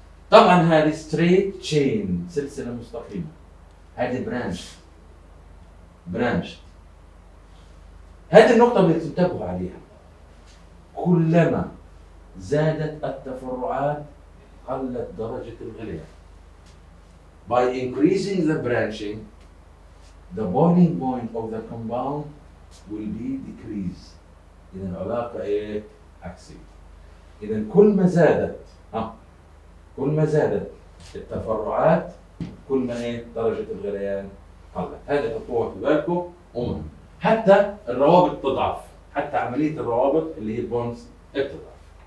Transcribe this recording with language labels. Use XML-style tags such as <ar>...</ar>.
<ar>طبعا هذه straight chain سلسلة مستقيمة، هذه برانش. هذه النقطة اللي تنتبهوا عليها، كلما زادت التفرعات قلت درجة الغليان.</ar> <en>By increasing the branching the boiling point of the compound will be decreased.</en> <ar>إذن العلاقة إيه؟ عكسية. إذن كل ما زادت التفرعات كل ما ايه درجة الغليان قلت. هذا تحطوها في بالكم ومهم، حتى الروابط تضعف، حتى عملية الروابط اللي هي بونز تضعف.</ar>